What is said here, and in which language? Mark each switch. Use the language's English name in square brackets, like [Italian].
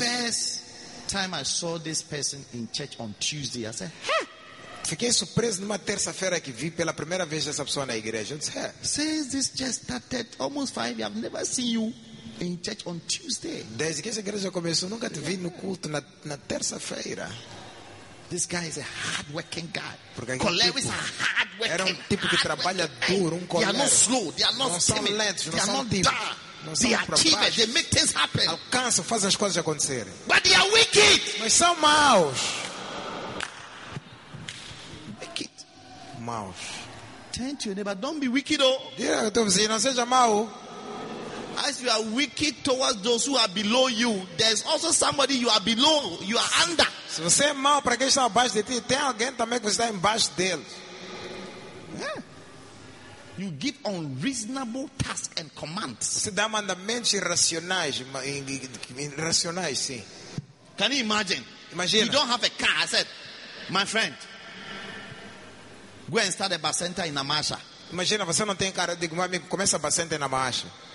[English] The first time I saw this person in church on Tuesday, I said, "Huh?" [Portuguese] Fiquei surpreso numa terça-feira que vi pela primeira vez essa pessoa na igreja. Eu disse, "Huh?" [English] Since this just started almost 5 years, I've never seen you in church on Tuesday. [Portuguese] Desde que essa igreja começou, nunca te vi no culto na terça-feira. [English] This guy is a hard-working guy. [Portuguese] Porque aquele tipo, [English] hard-working, [Portuguese] era um tipo que trabalha duro, um colega. [English] They are not slow, they are not [Portuguese] não são lentos, [English] they [Portuguese] não [English] are [Portuguese] são [English] dumb. They are they make things happen. [Portuguese] Alcançam, fazem as coisas acontecerem. [English] But they are wicked. [Portuguese] Mas são maus. [English] Wicked. [Portuguese] Maus. [English] Turn to your neighbor, don't be wicked, oh. [Portuguese] Diga ao teu vizinho, não seja mau. [English] As you are wicked towards those who are below you, there's also somebody you are below, you are under. [Portuguese] Se você é mau para quem está abaixo de ti, tem alguém também que está embaixo dele. [English] Yeah. You give unreasonable tasks and commands. [Portuguese] Você dá mandamentos irracionais, irracionais, sim. [English] Can you imagine? [Portuguese] Imagina. [English] You don't have a car. I said, my friend, go and start a bus center in Amasha. [Portuguese] Imagina, você não tem carro. Digo, meu amigo, começa a [English] bus center [Portuguese] em Amasha.